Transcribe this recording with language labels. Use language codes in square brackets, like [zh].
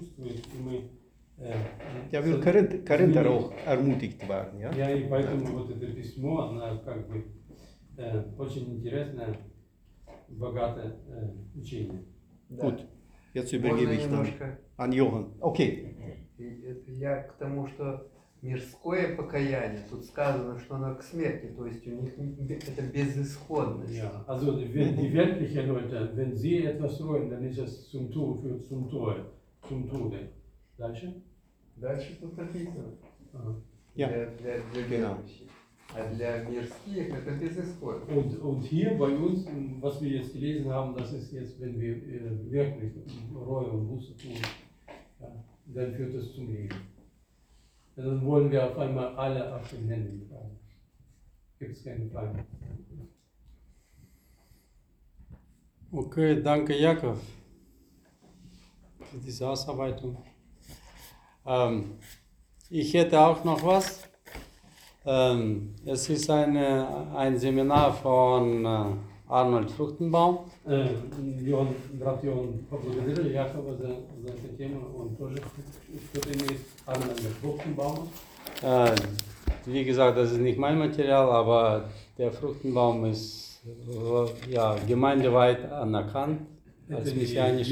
[de] Ja. Ja, wir können da auch ermutigt werden. ja, und deswegen ist dieses Brief sehr interessant, [ru] богатое учение. [de] Gut. Jetzt übergebe ich [ru] немножко... [de] an Johann. Okay. [ru] Это я к тому, что мирское покаяние, тут сказано, что оно к смерти, то есть у них это безысходность. [de] Ja, also die wirklichen Leute, wenn sie etwas wollen, dann ist es zum Tod, führt zum Tod, zum Tode. [ru] Дальше? Дальше тут написано. [de] Ja. [ru] Для верующих. А для мирских это безысходность. [de] Und hier bei uns, was wir jetzt gelesen haben, das ist jetzt, wenn wir wirklich Reue und Buße tun, dann führt es zum Leben. Und dann wollen wir auf einmal alle auf den Händen tragen. Gibt es keine Frage. Okay, danke Jakob für diese Ausarbeitung. Ich hätte auch noch was. Es ist ein Seminar von Arnold Fruchtenbaum. [ru] Johann поблагодарил Якова за эту тему. Он тоже что-то имеет Арнольд Фрухтенбаум. [de] Wie gesagt, das ist nicht mein Material, aber der Fruchtenbaum ist ja gemeindeweit anerkannt als messianischer